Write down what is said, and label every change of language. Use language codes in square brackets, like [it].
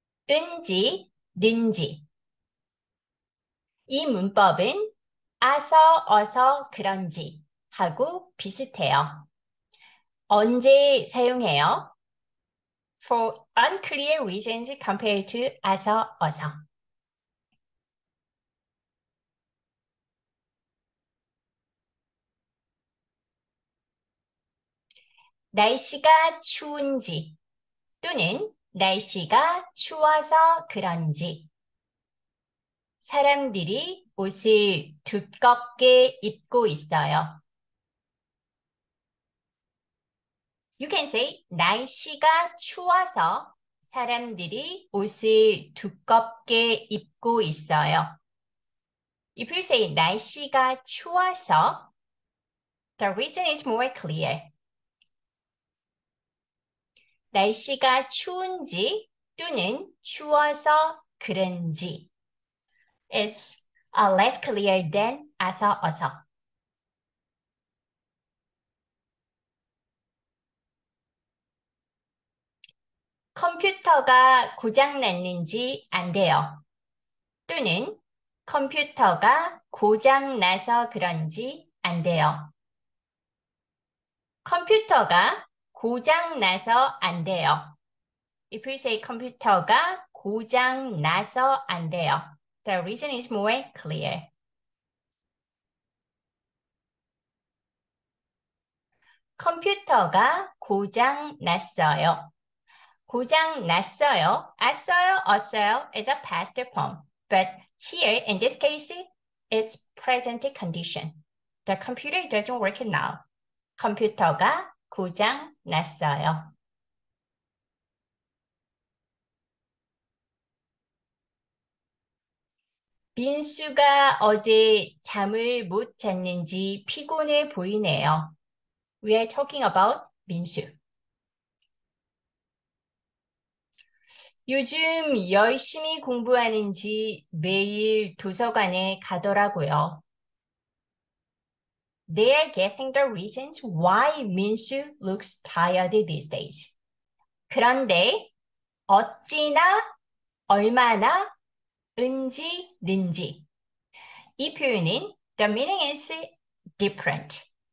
[ko] 은지, 는지. 이 문법은 아서, 어서, 그런지 하고 비슷해요. 언제 사용해요? [en] For unclear reasons compared to [ko] 아서, 어서. 날씨가 추운지 또는 날씨가 추워서 그런지, 사람들이 옷을 두껍게 입고 있어요. [en] You can say [ko] 날씨가 추워서 사람들이 옷을 두껍게 입고 있어요. [en] If you say [ko] 날씨가 추워서, [en] the reason is more clear. [ko] 날씨가 추운지 또는 추워서 그런지. [en] It's less clear than [ko] 아서 어서. 컴퓨터가 고장 났는지 안 돼요. 또는 컴퓨터가 고장 나서 그런지 안 돼요. 컴퓨터가 고장 나서 안 돼요. [en] If you say [ko] 컴퓨터가 고장 나서 안 돼요. [en] The reason is more clear. [ko] 컴퓨터가 고장 났어요. 고장 났어요. 왔어요, 왔어요 [en] is a past form. But here, in this case, it's present condition. The computer doesn't work now. [ko] 컴퓨터가 고장 났어요. 빈수가 어제 잠을 못 잤는지 피곤해 보이네요. We are talking about 빈수. 요즘 열심히 공부하는지 매일 도서관에 가더라고요. [en] They're guessing the reasons why Minshew looks tired these days. [ko] 그런데 어찌나 얼마나 은지 는지. 이 표현은 [en] the meaning is different.